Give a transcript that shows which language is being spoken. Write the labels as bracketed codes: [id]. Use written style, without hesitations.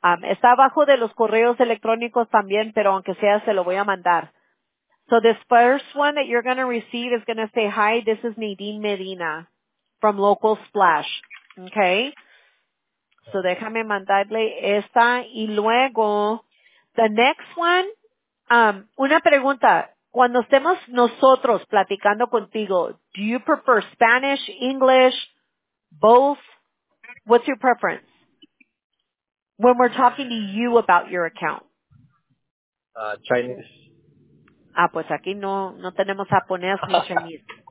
[es] Está abajo de los correos electrónicos también, pero aunque sea, se lo voy a mandar. [en] So this first one that you're going to receive is going to say, hi, this is Nadine Medina from Local Splash. [es] Okay? So déjame mandarle esta. Y luego, [en] the next one, [es] una pregunta. Cuando estemos nosotros platicando contigo, [en] do you prefer Spanish, English, both? What's your preference? When we're talking to you about your account. Chinese. [es] Ah, pues aquí no tenemos japonés ni chinese.